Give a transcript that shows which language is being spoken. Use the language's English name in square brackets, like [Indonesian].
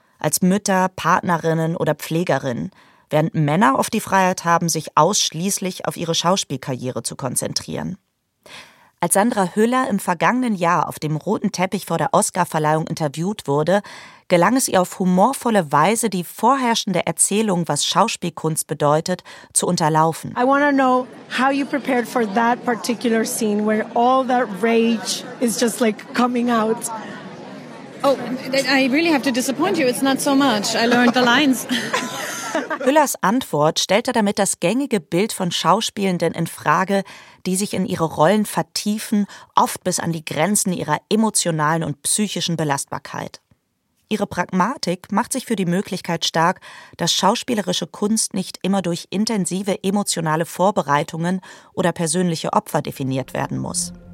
[German] Als Mütter, Partnerinnen oder Pflegerinnen. Während Männer oft die Freiheit haben, sich ausschließlich auf ihre Schauspielkarriere zu konzentrieren. Als Sandra Hüller im vergangenen Jahr auf dem roten Teppich vor der Oscarverleihung interviewt wurde, gelang es ihr auf humorvolle Weise, die vorherrschende Erzählung, was Schauspielkunst bedeutet, zu unterlaufen. [English] I want to know how you prepared for that particular scene where all that rage is just like coming out. Oh, I really have to disappoint you. It's not so much. I learned the lines. [German] Hüllers Antwort stellte damit das gängige Bild von Schauspielenden in Frage, die sich in ihre Rollen vertiefen, oft bis an die Grenzen ihrer emotionalen und psychischen Belastbarkeit. Ihre Pragmatik macht sich für die Möglichkeit stark, dass schauspielerische Kunst nicht immer durch intensive emotionale Vorbereitungen oder persönliche Opfer definiert werden muss.